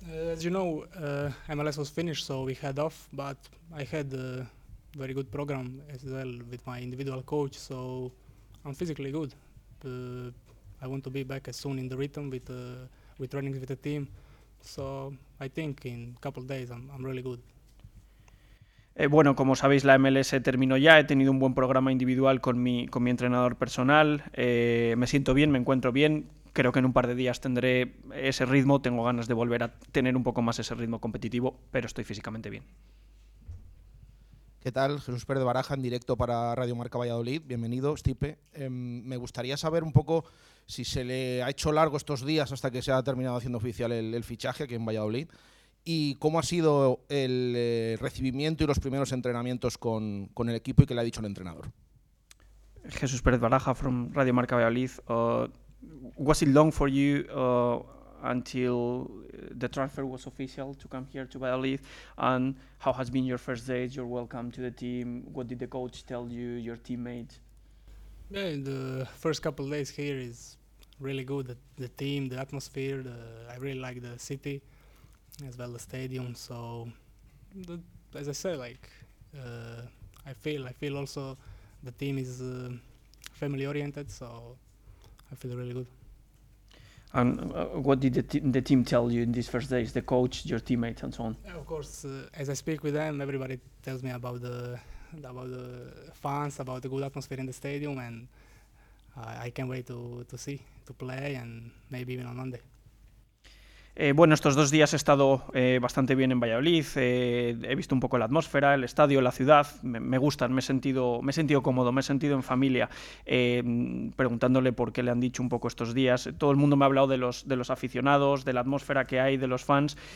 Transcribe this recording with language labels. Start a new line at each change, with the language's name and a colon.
English: As you know, MLS was finished, so we had off, but I had a very good program as well with my individual coach, so I'm physically good. I want to be back as soon in the rhythm with training with the team. So I think in a couple of days I'm really good.
Spanish: Bueno, como sabéis, la MLS terminó ya. He tenido un buen programa individual con mi entrenador personal. Me siento bien, me encuentro bien. Creo que en un par de días tendré ese ritmo. Tengo ganas de volver a tener un poco más ese ritmo competitivo, pero estoy físicamente bien. ¿Qué tal? Jesús Pérez de Baraja, en directo para Radio Marca Valladolid. Bienvenido, Stipe. Me gustaría saber un poco si se le ha hecho largo estos días hasta que se ha terminado haciendo oficial el fichaje aquí en Valladolid, y cómo ha sido el recibimiento y los primeros entrenamientos con el equipo y qué le ha dicho el entrenador.
English: Jesús Pérez Baraja from Radio Marca Valladolid. Was it long for you until the transfer was official to come here to Valladolid, and how has been your first days, your welcome to the team? What did the coach tell you, your teammates? Yeah, the first couple of days here is really good. The team, the atmosphere, I really like the city as well, the stadium. So, as I said, I feel also the team is family oriented. So, I feel really good. And what did the team tell you in these first days? The coach, your teammates, and so on. Yeah, of course, as I speak with them, everybody tells me about the fans, about the good atmosphere in the stadium, and I can't wait to see, to play, and maybe even on Monday.
Spanish: Bueno, estos dos días he estado bastante bien en Valladolid. He visto un poco la atmósfera, el estadio, la ciudad. Me gustan, me he sentido cómodo, me he sentido en familia. Preguntándole por qué le han dicho un poco estos días. Todo el mundo me ha hablado de los aficionados, de la atmósfera que hay, de los fans.